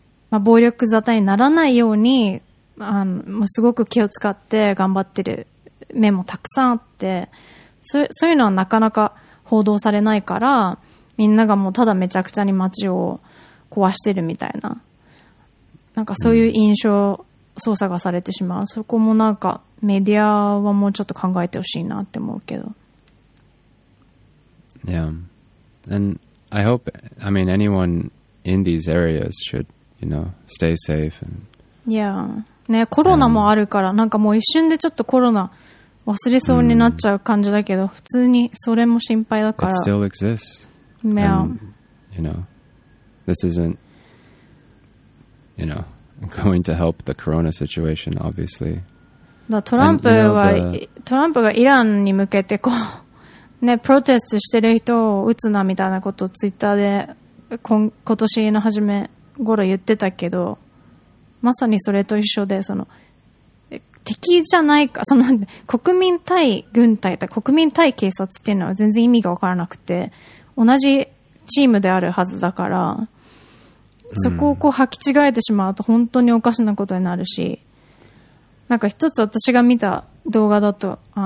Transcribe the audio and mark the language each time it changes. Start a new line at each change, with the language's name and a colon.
Japanese: あ、暴力沙汰にならないように、もうすごく気を使って頑張ってる面もたくさんあって、そういうのはなかなか報道されないから、みんながもうただめちゃくちゃに街を壊してるみたいな、なんかそういう印象操作がされてしまう、そこもなんかメディアはもうちょっと考えてほしいなって思うけど。
English: Yeah. And I hope, I mean, anyone in these areas should, you know, stay safe and... Yeah.
Japanese: ね、コロナもあるから、なんかもう一瞬でちょっとコロナ忘れそうになっちゃう感じだけど、普通にそれも心配だから。
English: It still exists. Yeah. And, you know, this isn't, you know, going to help the corona situation, obviously.
Japanese: だ、トランプがイランに向けてこう、ね、プロテストしてる人を撃つなみたいなことをツイッターで今年の初め頃言ってたけど、まさにそれと一緒で、その敵じゃないか、その国民対軍隊と国民対警察っていうのは全然意味が分からなくて、同じチームであるはずだから、そこをこう履き違えてしまうと本当におかしなことになるし、なんか一つ私が見た動画だと、